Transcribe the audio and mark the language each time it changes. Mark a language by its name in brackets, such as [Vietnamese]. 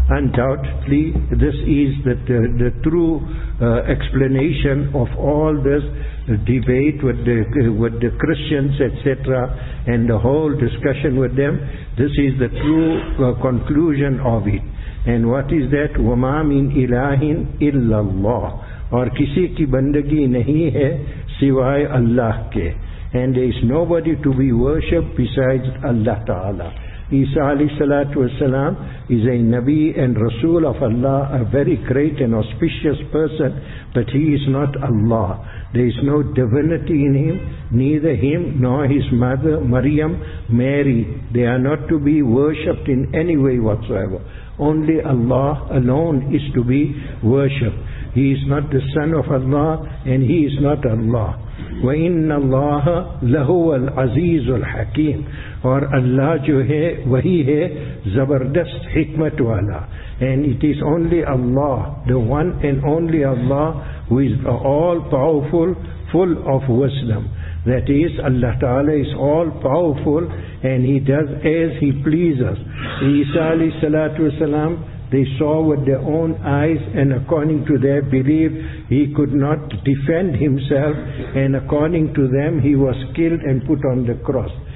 [English] Undoubtedly, this is the true explanation of all this debate with the Christians, etc., and the whole discussion with them. This is the true conclusion of it. And what is that? [Arabic] وَمَا مِنْ إِلَٰهٍ إِلَّا اللَّهِ. [Urdu] اور کسی کی بندگی نہیں ہے سوائے اللہ کے. [English] And there is nobody to be worshipped besides Allah Ta'ala. Isa alayhi salatu wasalam is a Nabi and Rasul of Allah, a very great and auspicious person, but he is not Allah. There is no divinity in him, neither him nor his mother Maryam, Mary. They are not to be worshipped in any way whatsoever. Only Allah alone is to be worshipped. He is not the son of Allah and he is not Allah. [Arabic] وَإِنَّ اللَّهَ لَهُوَ الْعَزِيزُ الْحَكِيمُ. [Urdu] اور اللہ جو ہے وہی ہے زبردست حکمت والا. [English] And it is only Allah, the one and only Allah, who is all powerful, full of wisdom. That is, Allah Ta'ala is all powerful and he does as he pleases. Isa alayhi salatu wasalam, they saw with their own eyes, and according to their belief, he could not defend himself, and according to them, he was killed and put on the cross.